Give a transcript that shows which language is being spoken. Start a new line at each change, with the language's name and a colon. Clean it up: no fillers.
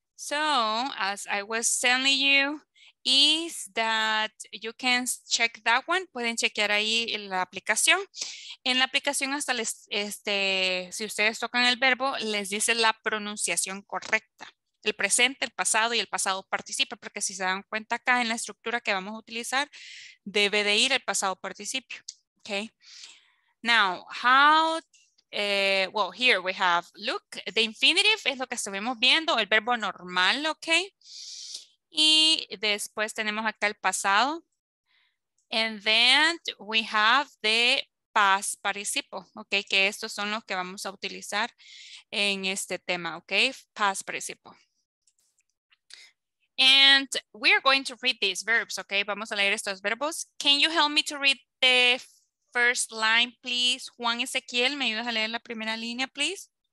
English: So, as I was telling you, is that you can check that one.
Spanish: Pueden chequear ahí en la aplicación. En la aplicación hasta les, si ustedes tocan el verbo, les dice la pronunciación correcta. El presente, el pasado y el pasado participio. Porque si se dan cuenta acá en la estructura que vamos a utilizar, debe de ir el pasado participio.
English: Okay. Now, how... well, here we have, look, the infinitive
Spanish: es lo que estuvimos viendo, el verbo normal,
English: ok.
Spanish: Y después tenemos acá el pasado.
English: And then we have the past participle,
Spanish: ok, que estos son los que vamos a utilizar en este tema, ok, past participle.
English: And we are going to read these verbs, ok,
Spanish: vamos a leer estos verbos.
English: Can you help me to read the first line, please?
Spanish: Juan Ezequiel, ¿me ayudas a leer la primera línea, please?